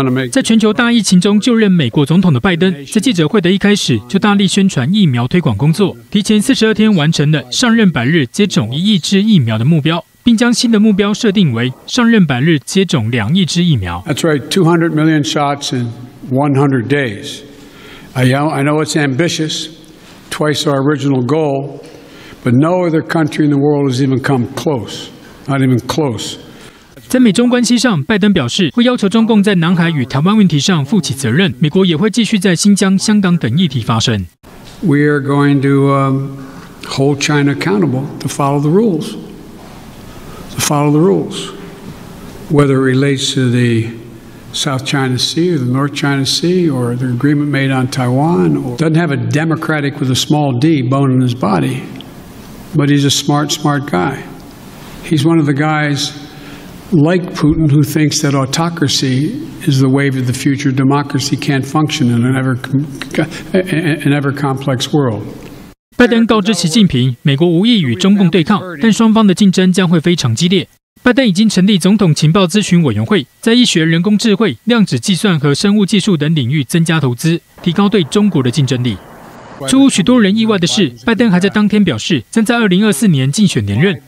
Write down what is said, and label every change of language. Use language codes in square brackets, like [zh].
[zh] 在全球大疫情中就任美国总统的拜登，在记者会的一开始就大力宣传疫苗推广工作，提前42天完成了上任百日接种1亿支疫苗的目标，并将新的目标设定为上任百日接种2亿支疫苗。 [en] That's right, 200 million shots in 100 days. I know it's ambitious, twice our original goal, but no other country in the world has even come close, not even close. [zh] 在美中关系上，拜登表示会要求中共在南海与台湾问题上负起责任，美国也会继续在新疆、香港等议题发声。 [en] We are going to hold China accountable to follow the rules, to follow the rules, whether it relates to the South China Sea or the North China Sea or the agreement made on Taiwan. Doesn't have a Democratic with a small D bone in his body, but he's a smart, smart guy. He's one of the guys. Like Putin, who thinks that autocracy is the wave of the future, democracy can't function in an ever complex world. [zh] 拜登告知习近平，美国无意与中共对抗，但双方的竞争将会非常激烈。拜登已经成立总统情报咨询委员会，在医学、人工智慧、量子计算和生物技术等领域增加投资，提高对中国的竞争力。出乎许多人意外的是，拜登还在当天表示将在2024年竞选连任。